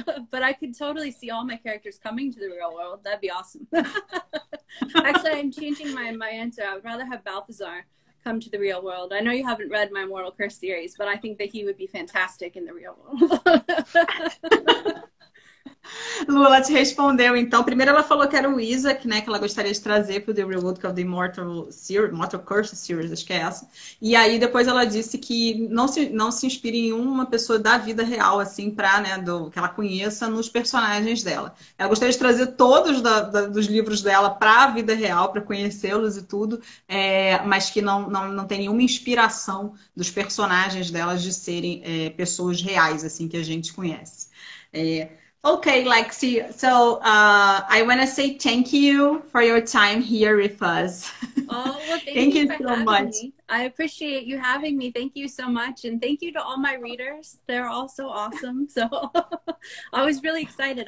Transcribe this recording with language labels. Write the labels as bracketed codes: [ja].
[en] But I could totally see all my characters coming to the real world. That'd be awesome. Actually, I'm changing my answer. I would rather have Balthazar come to the real world. I know you haven't read my Mortal Curse series, but I think that he would be fantastic in the real world. [pt] Lu, ela te respondeu, então. Primeiro ela falou que era o Isaac, né? Que ela gostaria de trazer pro The Real World of the Mortal Curse Series, acho que é essa. E aí depois ela disse que não se inspira em uma pessoa da vida real, assim, pra, né, do, que ela conheça nos personagens dela. Ela gostaria de trazer todos dos livros dela pra vida real, pra conhecê-los e tudo, mas que não tem nenhuma inspiração dos personagens dela de serem pessoas reais, assim, que a gente conhece. [en] Okay, Lexi, so I want to say thank you for your time here with us. Thank you so much. I appreciate you having me. Thank you so much. And thank you to all my readers. They're all so awesome. So I was really excited.